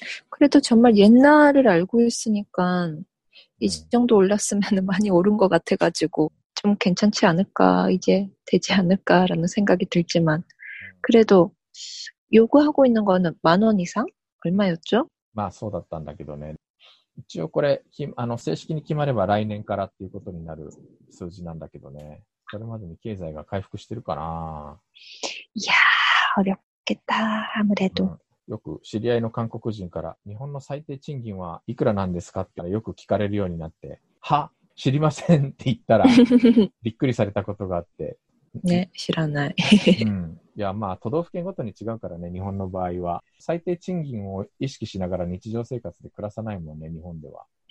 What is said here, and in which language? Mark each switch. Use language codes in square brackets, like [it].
[ko] 그래도정말옛날을알고있으니까이정도올랐으면많이오른것같아가지고좀괜찮지않을까이제되지않을까라는생각이들지만그래도요구하고있는거는만원이상얼마였죠 [ja] まあそうだったんだけどね一応これあの正式に決まれば来年からっていうことになる数字なんだけどねそれまでに経済が回復してるかない [ko] やー어렵겠다아무래도 [ja] よく知り合いの韓国人から日本の最低賃金はいくらなんですかってよく聞かれるようになって、は知りませんって言ったらびっくりされたことがあって、ね知らない。いやまあ都道府県ごとに違うからね日本の場合は最低賃金を意識しながら日常生活で暮らさないもんね日本では。